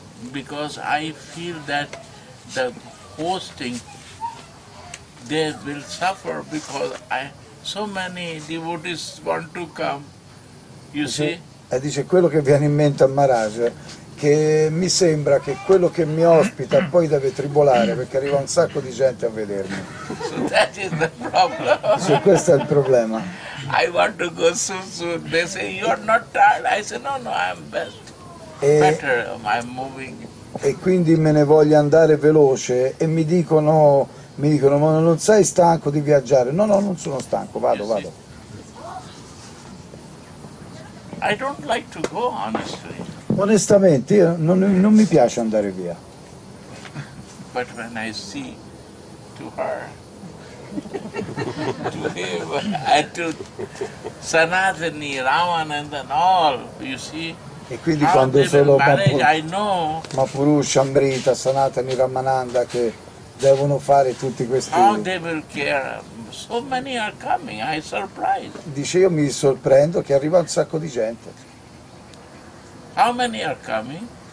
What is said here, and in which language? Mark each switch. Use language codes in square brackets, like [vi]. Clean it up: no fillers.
[en] Because I feel that the hosting they will suffer because I so many devotees want to come. You see? [it] E dice quello che viene in mente a Maharaj, che mi sembra che quello che mi ospita poi deve tribolare perché arriva un sacco di gente a vedermi. [en] So that is the problem. [it] Cioè, questo è il problema. [en] I want to go soon, soon. They say you are not tired. I say no, I'm best. [it] E quindi me ne voglio andare veloce e mi dicono ma non sei stanco di viaggiare? No, non sono stanco, vado. [en] I don't like to go, honestly. [it] Onestamente non mi piace andare via. [en] But when I see to her to him and to Sanatani, Ravan and then all, you see. [it] E quindi [en] how [it] quando solo Mapurusha, Amrita, Sanatani, Ramananda che devono fare tutti questi. [en] How they will care. So many are coming, I surprise. [it] Dice io mi sorprendo che arriva un sacco di gente. [en] How many are coming?